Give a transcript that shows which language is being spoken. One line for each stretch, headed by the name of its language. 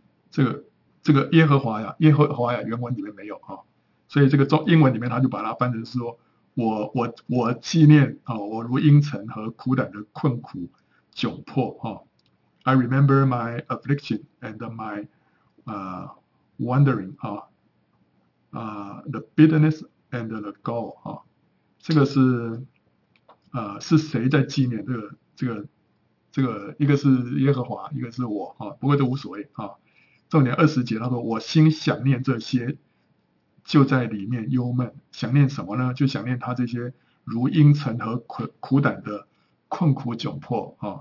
Chinese: 这个耶和华呀，耶和华呀，原文里面没有啊。所以这个中英文里面他就把它翻成是说，我纪念我如阴沉和苦胆的困苦窘迫。
English: I remember my affliction and my wandering, the bitterness and the gall.
Chinese: 这个是谁在纪念这个一个是耶和华，一个是我，不过都无所谓。重点二十节他说，我心想念这些，就在里面忧闷。想念什么呢？就想念他这些如阴沉和苦胆的困苦窘迫。